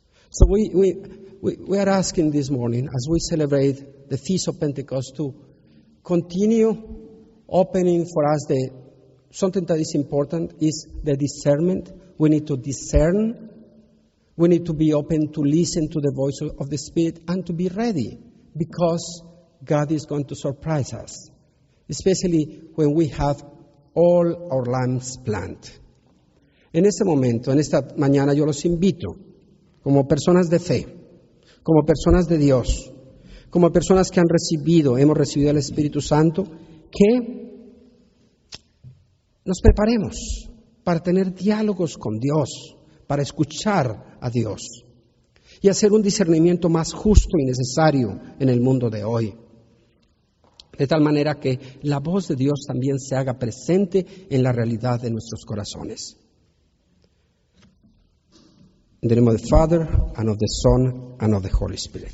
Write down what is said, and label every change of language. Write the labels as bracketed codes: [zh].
[en] So we are asking this morning, as we celebrate the Feast of Pentecost, to continue opening for us the something that is important is the discernment. We need to discern. We need to be open to listen to the voice of the Spirit and to be ready, because God is going to surprise us, especially when we have all our lamps planned. [es] En este momento, en esta mañana, yo los invito, como personas de fe, como personas de Dios, como personas que hemos recibido el Espíritu Santo, que nos preparemos para tener diálogos con Dios, para escuchar a Dios y hacer un discernimiento más justo y necesario en el mundo de hoy. De tal manera que la voz de Dios también se haga presente en la realidad de nuestros corazones. [en] In the name of the Father, and of the Son, and of the Holy Spirit.